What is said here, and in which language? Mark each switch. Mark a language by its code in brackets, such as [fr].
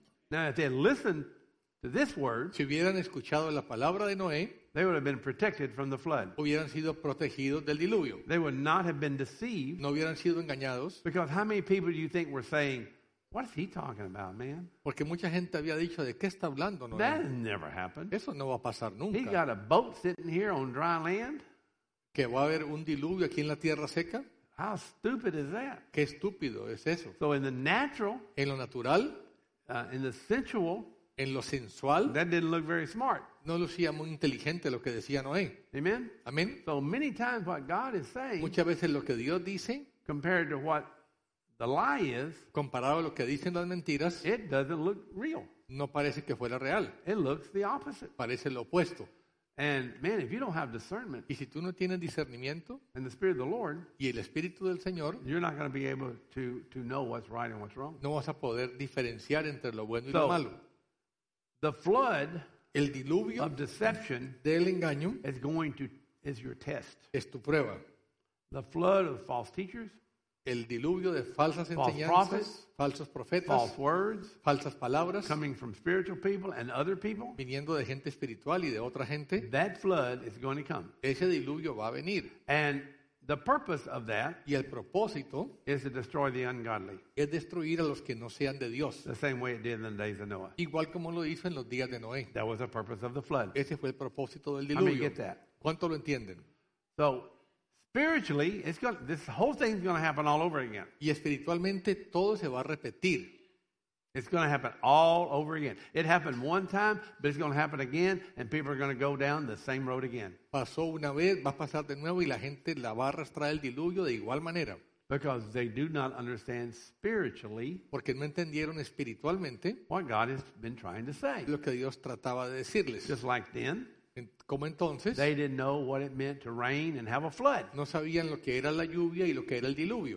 [en] Now if they had listened to this word, [es] si hubieran escuchado la palabra de Noé, [en] they would have been protected from the flood. [es] Hubieran sido protegidos del diluvio. [en] They would not have been deceived. [es] No hubieran sido engañados. [en] Because how many people do you think were saying, "What is he talking about, man?" [es] Porque mucha gente había dicho, ¿de qué está hablando, Noé? [en] That never happened. [es] Eso no va a pasar nunca. [en] He got a boat sitting here on dry land. [es] Que va a haber un diluvio aquí en la tierra seca. [en] How stupid is that? [es] Qué estúpido es eso. [en] So in the natural, [es] en lo natural, [en] in the sensual, [es] en lo sensual, [en] that didn't look very smart. [es] No lucía muy inteligente lo que decía Noé. [en] Amen. [es] Amen. [en] So many times what God is saying, [es] muchas veces lo que Dios dice, [en] compared to what the lie is, [es] comparado a lo que dicen las mentiras, [en] it doesn't look real. [es] No parece que fuera real. [en] It looks the opposite. [es] Parece lo opuesto. [en] And man, if you don't have discernment, [es] y si tú no tienes discernimiento, [en] and the Spirit of the Lord, [es] y el Espíritu del Señor, [en] you're not going to be able to know what's right and what's wrong. [es] No vas a poder diferenciar entre lo bueno y [en] so, [es] lo malo. [en] The flood, [es] el diluvio [en] of deception, [es] del engaño, [en] is your test. [es] Es tu prueba. [en] The flood of false teachers, [es] el diluvio de falsas enseñanzas, [en] prophets, [es] falsos profetas, [en] false words, [es] falsas palabras, [en] coming from spiritual people and other people, [es] viniendo de gente espiritual y de otra gente. [en] That flood is going to come. [es] Ese diluvio va a venir. [en] And the purpose of that, [es] y el propósito, [en] is to destroy the ungodly. [es] Es destruir a los que no sean de Dios. [en] The same way it did in the days of Noah. [es] Igual como lo hizo en los días de Noé. [en] That was the purpose of the flood. [es] Ese fue el propósito del diluvio. [en] I mean, get that. [es] ¿Cuánto lo entienden? [en] So spiritually, this whole thing is going to happen all over again. [es] Y espiritualmente todo se va a repetir. [en] It's going to happen all over again. It happened one time, but it's going to happen again, and people are going to go down the same road again. [es] Pasó una vez, va a pasar de nuevo, y la gente la va a arrastrar el diluvio de igual manera. [en] Because they do not understand spiritually [es] porque no entendieron espiritualmente [en] what God has been trying to say. [es] Lo que Dios trataba de decirles. [en] Just like then, [es] como entonces, [en] they didn't know what it meant to rain and have a flood. [es] No sabían lo que era la lluvia y lo que era el diluvio.